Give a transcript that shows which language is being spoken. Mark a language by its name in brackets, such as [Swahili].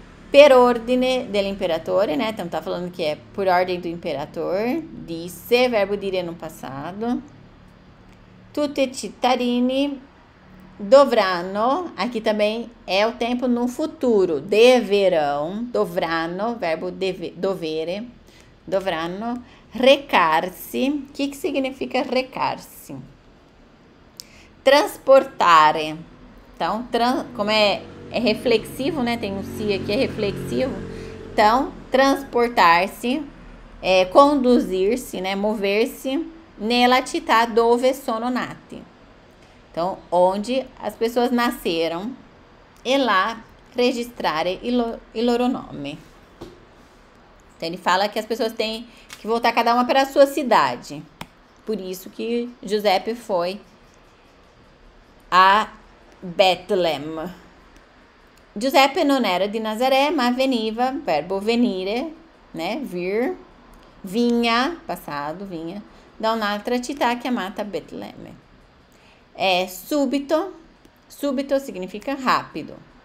[Italian] Per ordine dell'imperatore, né? [Portuguese] Então tá falando que é por ordem do imperador, disse, verbo dire no passado. [Italian] Tutti cittadini dovranno, [Portuguese] aqui também é o tempo no futuro, deverão, dovranno, verbo deve, dovere, dovranno, recarsi, que significa recarsi? Transportare, então, como é reflexivo, né? Tem um si aqui, é reflexivo. Então, transportar-se, conduzir-se, né? Mover-se, [Italian] nella città dove sono nati. [Portuguese] Então, onde as pessoas nasceram, e lá [Italian] registrare il loro nome. [Portuguese] Então, ele fala que as pessoas têm que voltar cada uma para a sua cidade. Por isso que Giuseppe foi a Betlem. [Italian] Giuseppe non era di Nazaré, ma veniva, [Portuguese] verbo venire, né? Vir, vinha, passado, vinha, [Italian] da un'altra città chiamata Betlemme. [Portuguese] È subito, subito significa rápido.